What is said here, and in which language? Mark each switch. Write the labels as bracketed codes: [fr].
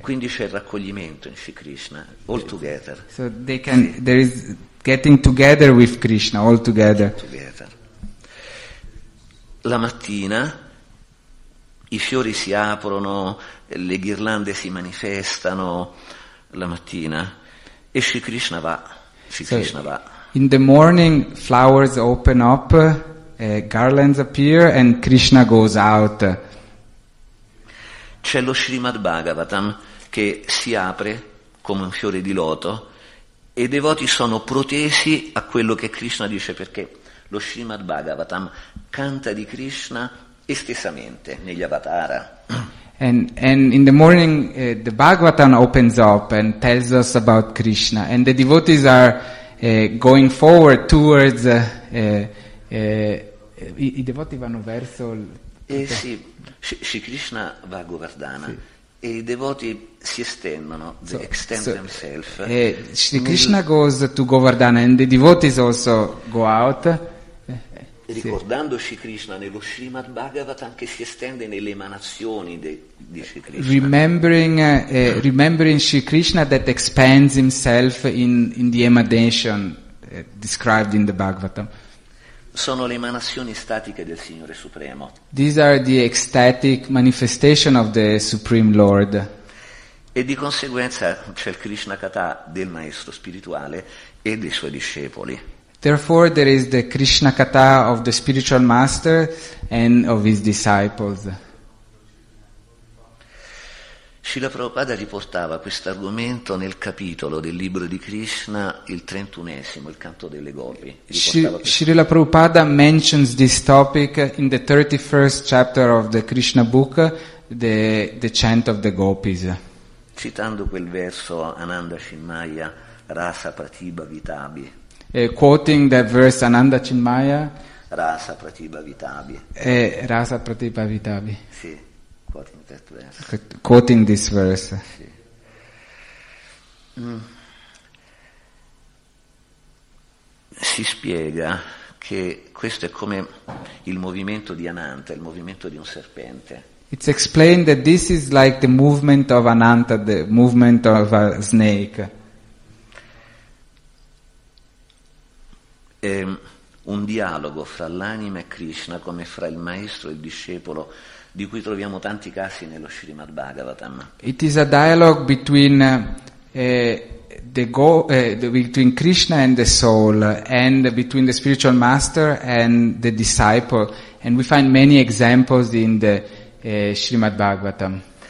[it] Quindi c'è il raccoglimento in Shri Krishna, [en] all together. So they can, there is getting together with Krishna, all together. Together. [it] La mattina i fiori si aprono, le ghirlande si manifestano la mattina e Shri Krishna va. Shri Krishna va. [en] In the morning flowers open up, garlands appear and Krishna goes out. [it] C'è lo Srimad Bhagavatam che si apre come un fiore di loto e i devoti sono protesi a quello che Krishna dice, perché lo Srimad Bhagavatam canta di Krishna estesamente negli avatara. [en] And in the morning the Bhagavatam opens up and tells us about Krishna and the devotees are going forward towards [it] i devoti vanno verso sì, Shri Krishna va a Govardhana, sì. E i devoti si estendono, [en] themselves. Shri Krishna goes to Govardhana and the devotees also go out. [it] ricordando Sri Krishna nello Srimad Bhagavatam, che si estende nelle emanazioni di Sri Krishna. [en] Remembering Sri Krishna that expands himself in the emanation described in the Bhagavatam. [it] Sono le emanazioni statiche del Signore Supremo. [en] These are the ecstatic manifestation of the Supreme Lord. [it] E di conseguenza c'è il Krishna Katha del maestro spirituale e dei suoi discepoli. [en] Therefore there is the Krishna Katha of the spiritual master and of his disciples. [it] Srila Prabhupada riportava questo argomento nel capitolo del libro di Krishna, il 31esimo, il canto delle gopi. [en] Srila Prabhupada mentions this topic in the 31st chapter of the Krishna book, the chant of the gopis. [it] Citando quel verso Ananda Chinmaya, Rasa Pratibha Vitabhi. [en] Quoting that verse Ananda Chinmaya. [sa] Rasa Pratibha Vitabhi. Rasa Pratibha Vitabhi. [it] Sì. [en] Quoting that verse. Quoting this verse. [it] Sì. Si spiega che questo è come il movimento di Ananta, il movimento di un serpente. [en] It's explained that this is like the movement of Ananta, the movement of a snake. [it] È un dialogo fra l'anima e Krishna, come fra il maestro e il discepolo, di cui troviamo tanti casi nello Srimad Bhagavatam. [en] It is a dialogue between between Krishna and the soul, and between the spiritual master and the disciple, and we find many examples in the Srimad Bhagavatam.